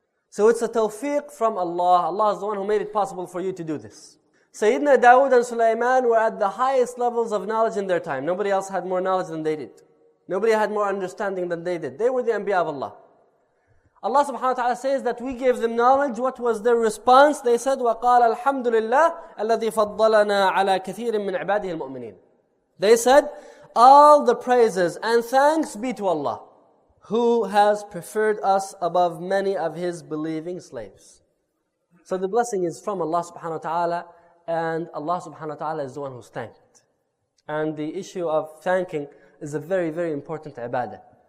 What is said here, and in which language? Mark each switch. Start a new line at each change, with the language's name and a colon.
English: So it's a tawfiq from Allah. Allah is the one who made it possible for you to do this. Sayyidina Dawood and Sulaiman were at the highest levels of knowledge in their time. Nobody else had more knowledge than they did. Nobody had more understanding than they did. They were the anbiya of Allah. Allah subhanahu wa ta'ala says that we gave them knowledge. What was their response? They said,
Arabic: وَقَالَ الْحَمْدُ لِلَّهِ الَّذِي فَضَّلَنَا عَلَى كَثِيرٍ مِّنْ عِبَادِهِ الْمُؤْمِنِينَ.
English: They said, all the praises and thanks be to Allah, who has preferred us above many of his believing slaves. So the blessing is from Allah subhanahu wa ta'ala, and Allah subhanahu wa ta'ala is the one who's thanked. And the issue of thanking is a very, very important ibadah.